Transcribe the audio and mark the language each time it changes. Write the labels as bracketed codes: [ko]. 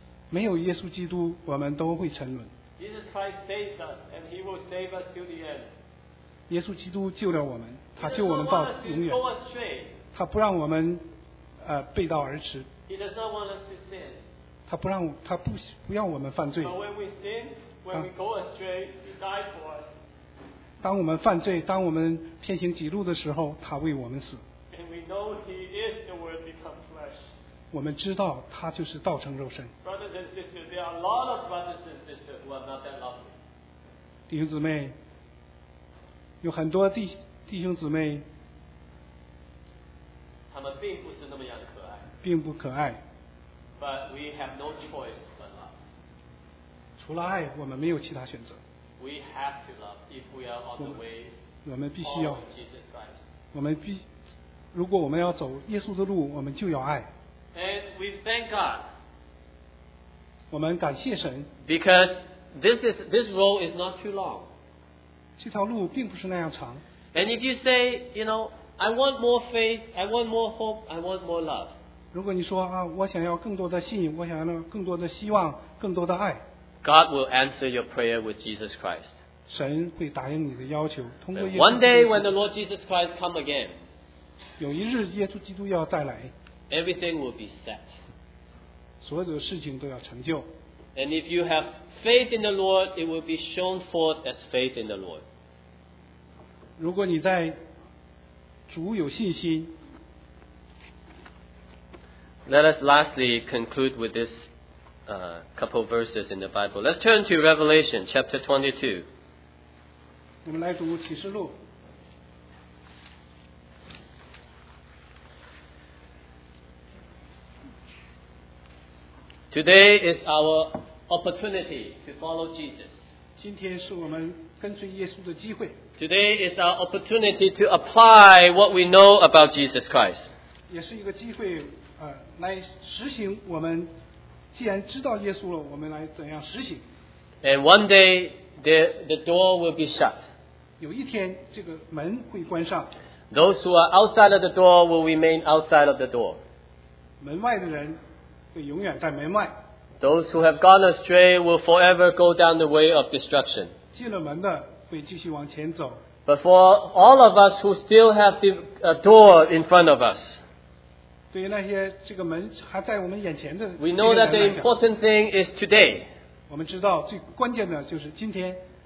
[zh] 没有耶稣基督我们都会沉沦。 [en] Jesus Christ saves us and he will save us till the end. [zh] 耶稣基督救了我们，他救我们到永远，他不让我们背道而驰。 [en] He does not want us to sin. [zh] 他不让我们犯罪。 [en] But when we sin, when we go astray, he died for us. [zh] 当我们犯罪, 当我们偏行己路的时候, 他为我们死。 [en] And we know he is the word become flesh. [zh] 我们知道他就是道成肉身。 [en] Brothers and sisters, there are a lot of brothers and sisters who are not that lovely. [zh] 弟兄姊妹, 有很多弟兄姊妹, 他们并不是那么样的可爱。 [en] But we have no choice but love. [zh] 除了爱, 我们没有其他选择。 [en] We have to love if we are on the ways [zh] 我们必须要, [en] of Jesus Christ. [zh] 如果我们要走耶稣的路, 我们就要爱。 [en] And we thank God. [zh] 我们感谢神。 [en] Because this role is not too long. [zh] 这条路并不是那样长。 [en] And if you say, you know, I want more faith, I want more hope, I want more love. [zh] 如果你说啊, 我想要更多的信, 我想要更多的希望, 更多的爱, [en] God will answer your prayer with Jesus Christ. [zh] 神会答应你的要求, [en] one day when the Lord Jesus Christ comes again, [zh] 有一日耶稣基督要再来, [en] everything will be set. [zh] 所有的事情都要成就。 [en] And if you have faith in the Lord, it will be shown forth as faith in the Lord. [zh] 如果你在主有信心, [en] let us lastly conclude with this couple of verses in the Bible. Let's turn to Revelation chapter 22. [zh] 我们来读启示录。 [en] Today is our opportunity to follow Jesus. [zh] 今天是我们跟随耶稣的机会。 [en] Today is our opportunity to apply what we know about Jesus Christ. [zh] 也是一个机会, 来实行我们, 既然知道耶稣了, 我们来怎样实行。 [en] And one day, the door will be shut. [zh] 有一天, 这个门会关上。 [en] Those who are outside of the door will remain outside of the door. [zh] 门外的人, 会永远在门外。 [en] Those who have gone astray will forever go down the way of destruction. [zh] 进了门的, 会继续往前走。 [en] But for all of us who still have the door in front of us, [zh] 对于那些这个门还在我们眼前的, [en] we know that the important thing is today. [zh] 我们知道最关键的就是今天。